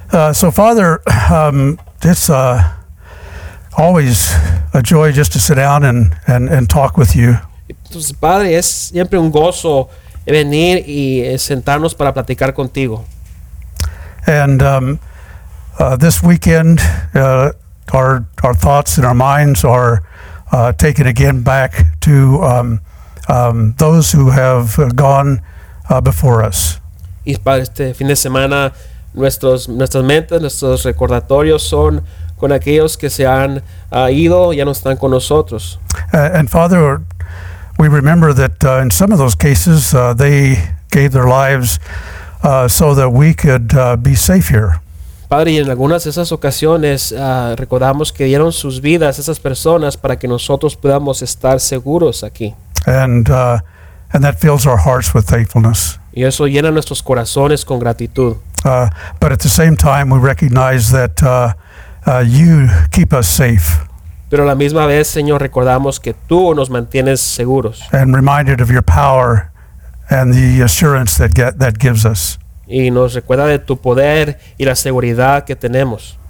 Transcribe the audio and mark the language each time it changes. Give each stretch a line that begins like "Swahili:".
English: So Father, it's always a joy just to sit down and talk with you.
Spanish: Entonces, Padre, es siempre un gozo venir y sentarnos para platicar contigo.
English: And this weekend, our thoughts and our minds are taken again back to those who have gone before us.
Spanish: Y para este fin de semana, nuestras mentes, nuestros recordatorios son con aquellos que se han ido, ya no están con nosotros.
English: And Father, we remember that in some of those cases, they gave their lives so that we could be safe here.
Spanish: Padre, y en algunas de esas ocasiones recordamos que dieron sus vidas esas personas para que nosotros podamos estar seguros aquí.
English: And that fills our hearts with thankfulness.
Spanish: Y eso llena nuestros corazones con gratitud.
English: But at the same time, we recognize that you keep us safe.
Spanish: Pero a la misma vez, Señor, recordamos que tú nos mantienes seguros.
English: And reminded of your power and the assurance that gives us.
Spanish: Y nos recuerda de tu poder y la seguridad que tenemos.